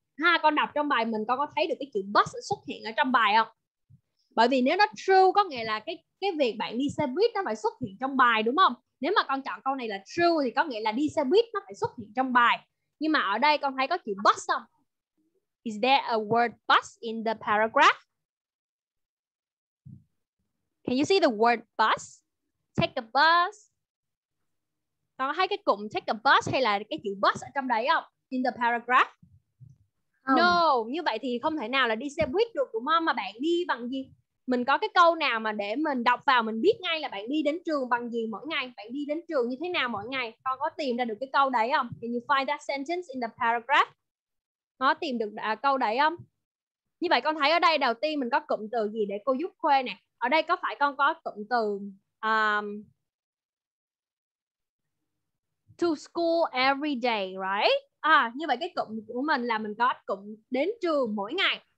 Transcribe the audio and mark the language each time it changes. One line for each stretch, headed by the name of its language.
Vietnamese: Ha, con đọc trong bài mình, con có thấy được cái chữ bus xuất hiện ở trong bài không? Bởi vì nếu nó true có nghĩa là cái việc bạn đi xe buýt nó phải xuất hiện trong bài, đúng không? Nếu mà con chọn câu này là true thì có nghĩa là đi xe buýt nó phải xuất hiện trong bài. Nhưng mà ở đây con thấy có chữ bus không?
English: Is there a word bus in the paragraph? Can you see the word bus? Take a bus.
Vietnamese: Con có thấy cái cụm
English: take a bus
Vietnamese: hay là cái chữ bus ở trong đấy không?
English: In the paragraph?
Vietnamese: No, như vậy thì không thể nào là đi xe buýt được, đúng không? Mà bạn đi bằng gì? Mình có cái câu nào mà để mình đọc vào mình biết ngay là bạn đi đến trường bằng gì mỗi ngày? Bạn đi đến trường như thế nào mỗi ngày? Con có tìm ra được cái câu đấy không?
English: Can you find that sentence in the paragraph?
Vietnamese: Có tìm được câu đấy không? Như vậy con thấy ở đây đầu tiên mình có cụm từ gì để cô giúp khuê nè? Ở đây có phải con có cụm từ...
English: to school every day, right?
Vietnamese: À, như vậy cái cụm của mình là mình có cụm đến trường mỗi ngày.